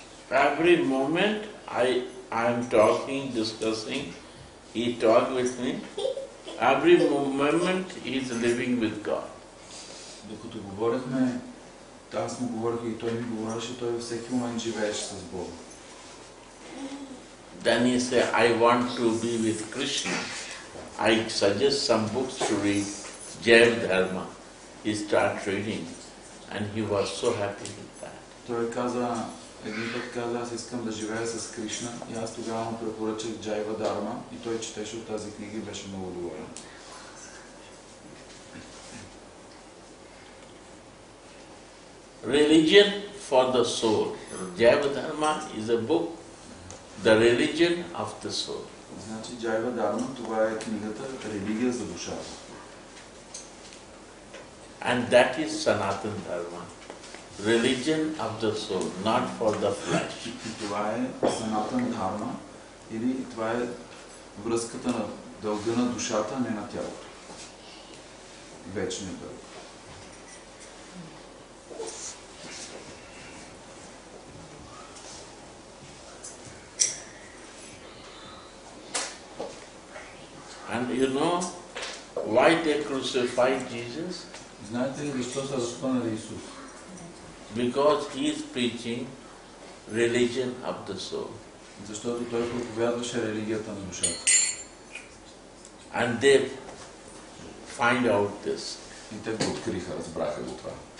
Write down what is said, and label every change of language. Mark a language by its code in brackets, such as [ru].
[en] Every moment I'm talking, discussing, he talks with me. Every moment he is living with God. [bg] Докато говорихме, аз му говорих и той ми говореше, той във всеки момент живееше с Бога. [en] Then he said, I want to be with Krishna. I suggest some books to read, Jaya Dharma. He started reading and he was so happy with that. [bg] Той каза, един път каза, аз искам да живея с Кришна и аз тогава му препоръчах Джайва Дарма и той четеше от тази книга и беше много доволен. [en] Religion for the soul. Джайва Дарма is a book, the religion of the soul. [bg] Значи Джайва Дарма, това е книгата религия за душата. [en] And that is Sanatan Dharma. Religion of the soul, not for the flesh. [bg] Това е Санатан Дхарма или това е връзката на дълга на душата, не на тялото. Вечният дълг. [en] And you know why they crucified Jesus? [bg] Знаете ли защо са разпънали Исус? [en] Because he is preaching religion of the soul. [bg] Защото той проповядваше религията на душата. [en] And they find out this. [bg] И те го откриха, разбраха го това.